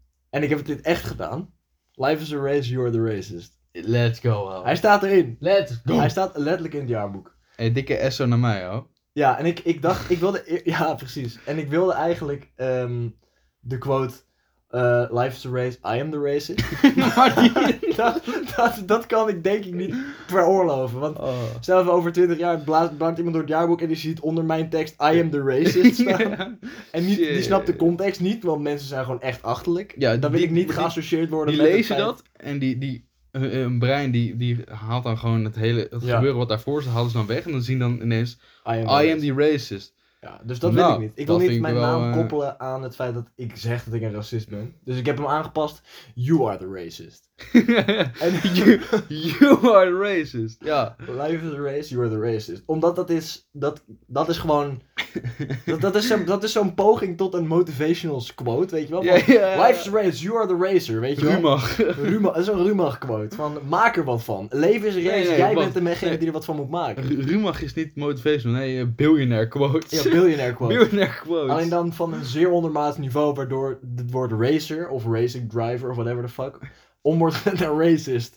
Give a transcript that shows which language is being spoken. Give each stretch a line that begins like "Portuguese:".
Dutch: En ik heb het dit echt gedaan.
English: Life is a race, you're the racist. Let's go, man.
Dutch: Hij staat erin.
English: Let's go.
Dutch: Hij staat letterlijk in het jaarboek. Hey, dikke esso naar mij, hoor. Ja, en ik dacht... Ik wilde... Ja, precies. En ik wilde eigenlijk de quote...
English: life is a race, I am the racist.
Dutch: Maar dat kan ik denk ik niet veroorloven. Want stel even over 20 jaar blaast iemand door het jaarboek en die ziet onder mijn tekst
English: I am the racist
Dutch: staan. En niet, die snapt de context niet, want mensen zijn gewoon echt achterlijk. Ja, dan wil ik niet geassocieerd worden met lezen dat en die hun brein die haalt dan gewoon het gebeuren wat daarvoor staat, halen ze dan weg. En dan zien dan ineens
English: I am the racist.
Dutch: Ja, dus dat wil ik niet. Ik wil niet mijn naam koppelen aan het feit dat ik zeg dat ik een racist ben. Dus ik heb hem aangepast.
English: You are the racist. you are the racist. Ja. Life is a race, you are the racist.
Dutch: Omdat dat is gewoon... dat is zo'n poging tot een motivational quote, weet je wel?
English: Life is a race, you are the racer,
Dutch: weet je wel? Rumach. Dat is een Rumach quote. Van maak er wat van. Leven is een race, bent degene die er wat van moet maken. Rumach is niet motivational, billionaire quote. Ja, billionaire quote.
English: Billionaire quote.
Dutch: Alleen dan van een zeer ondermaats niveau, waardoor het woord racer of racing driver of
English: whatever the fuck...
Dutch: om wordt een racist.